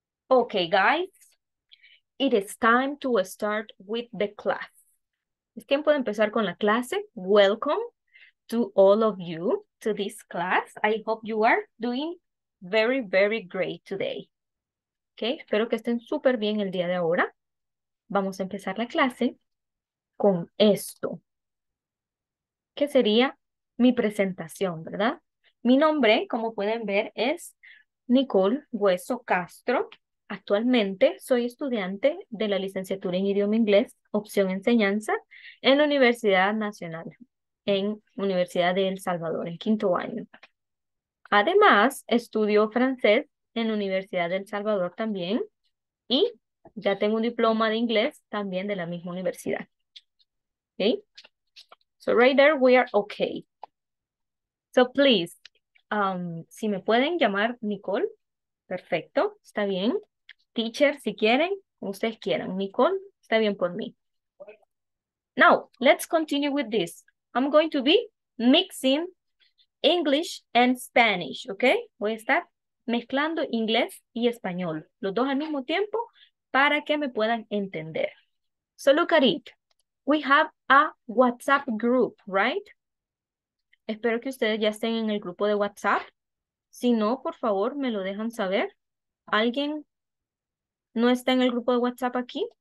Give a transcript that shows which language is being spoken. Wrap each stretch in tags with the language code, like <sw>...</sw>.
<en>Okay, guys, it is time to start with the class.</en> <es>Es tiempo de empezar con la clase.</es> <en>Welcome to all of you to this class. I hope you are doing very, very great today.</en> <es>Okay, espero que estén súper bien el día de ahora. Vamos a empezar la clase con esto, que sería mi presentación, ¿verdad? Mi nombre, como pueden ver, es Nicole Hueso Castro. Actualmente soy estudiante de la licenciatura en idioma inglés, opción enseñanza, en la Universidad Nacional, en Universidad de El Salvador, en quinto año. Además, estudio francés en la Universidad de El Salvador también y ya tengo un diploma de inglés también de la misma universidad. Okay.</es> <en>So right there, we are okay. So please, si me pueden llamar Nicole, perfecto, está bien.</en> <es>Teacher, si quieren, ustedes quieran. Nicole, está bien por mí.</es> <en>Now, let's continue with this. I'm going to be mixing English and Spanish, ¿ok?</en> <es>Voy a estar mezclando inglés y español, los dos al mismo tiempo, para que me puedan entender.</es> <en>So look at it. We have a WhatsApp group, right?</en> <es>Espero que ustedes ya estén en el grupo de WhatsApp. Si no, por favor, me lo dejan saber. ¿Alguien no está en el grupo de WhatsApp aquí?</es>